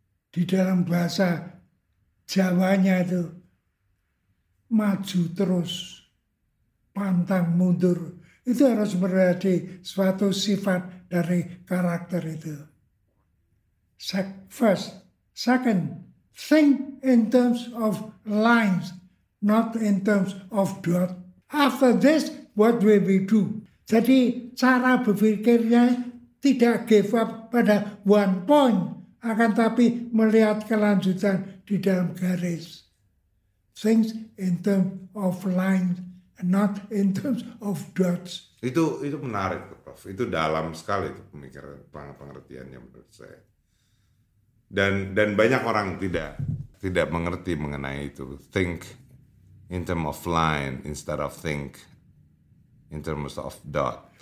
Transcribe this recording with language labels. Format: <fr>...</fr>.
<id>Di dalam bahasa Jawanya itu, maju terus, pantang mundur. Itu harus menjadi suatu sifat dari karakter itu.</id> <en>First, second, think in terms of lines, not in terms of dot. After this, what will we do?</en> <id>Jadi cara berpikirnya tidak</id> <en>give up</en> <id>pada</id> <en>one point,</en> <id>akan tapi melihat kelanjutan di dalam garis.</id> <en>Things in terms of lines, not in terms of dots.</en> <id>Itu menarik, Prof. Itu dalam sekali itu pemikiran, pengertiannya menurut saya. Dan banyak orang tidak mengerti mengenai itu.</id> <en>Think in terms of line instead of think in terms of dot.</en>